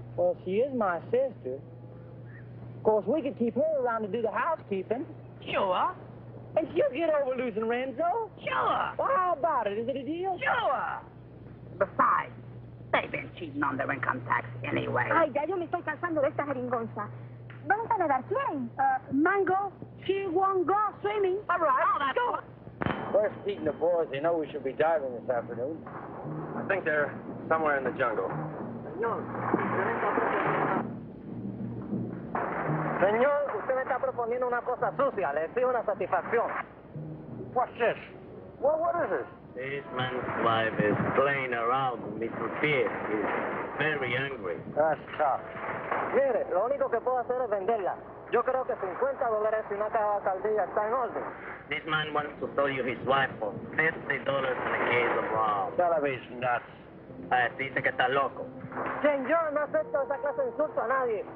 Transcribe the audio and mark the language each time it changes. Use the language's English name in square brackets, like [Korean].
[English] Well, she is my sister. Of course, we could keep her around to do the housekeeping. Sure. And you get over losing Renzo? Sure. Well, how about it? Is it a deal? Sure. Besides, they've been cheating on their income tax anyway. [Spanish] Ay, ya yo me estoy cansando de esta jeringonza. Vamos a nadar, ¿quién? [English] Mango, she won't go swimming. All right. All that. Go. First, Pete and the boys, they know we should be diving this afternoon. I think they're somewhere in the jungle. No. [Spanish] Señor, usted me está proponiendo una cosa sucia. Le pido una satisfacción. [English] What's this? Well, what is this? This man's wife is playing around with Mr. Pierce. He's very angry. That's tough. [Spanish] Mire, lo único que puedo hacer es venderla. Yo creo que $50 y una caja de caldilla está en orden. [English] This man wants to sell you his wife for $50 in a case of rum. Television nuts. [Spanish] Dice que está loco. Señor, no acepto esa clase de insulto a nadie.